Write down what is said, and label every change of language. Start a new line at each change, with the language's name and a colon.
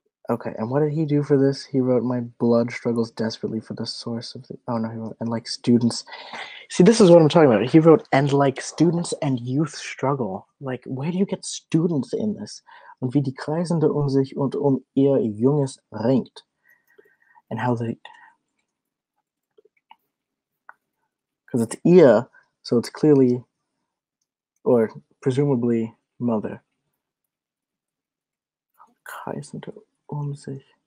English: Okay, and what did he do for this? He wrote, "My blood struggles desperately for the source of the." Oh no, he wrote, "And like students." See, this is what I'm talking about. He wrote, "And like students and youth struggle." Like, where do you get students in this?
German: Und wie die Kreisende um sich und um ihr Junges ringt.
English: And how they. Because it's ihr, so it's clearly, or presumably, mother.
German: Kreisende. Um sich.